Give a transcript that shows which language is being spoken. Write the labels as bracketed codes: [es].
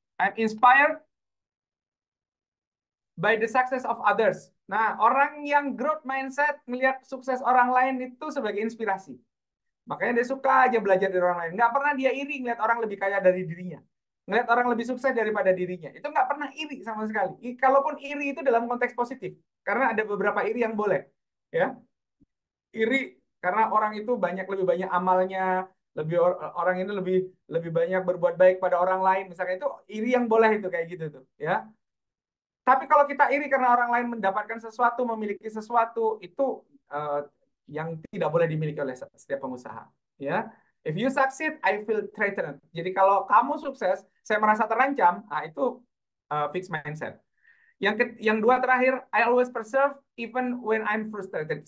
[en] I'm inspired by the success of others. [id] Nah, orang yang growth mindset melihat sukses orang lain itu sebagai inspirasi. Makanya dia suka aja belajar dari orang lain. Nggak pernah dia iri ngeliat orang lebih kaya dari dirinya. Ngeliat orang lebih sukses daripada dirinya. Itu nggak pernah iri sama sekali. Kalaupun iri itu dalam konteks positif. Karena ada beberapa iri yang boleh. Ya, iri karena orang itu banyak lebih banyak amalnya. Lebih orang ini lebih lebih banyak berbuat baik pada orang lain. Misalnya itu iri yang boleh itu kayak gitu tuh. Ya. Tapi kalau kita iri karena orang lain mendapatkan sesuatu, memiliki sesuatu, itu yang tidak boleh dimiliki oleh setiap pengusaha. Ya, [en] if you succeed, I feel threatened. [id] Jadi kalau kamu sukses, saya merasa terancam. Nah, itu [en] fixed mindset. [id] Yang dua terakhir, [en] I always persevere even when I'm frustrated.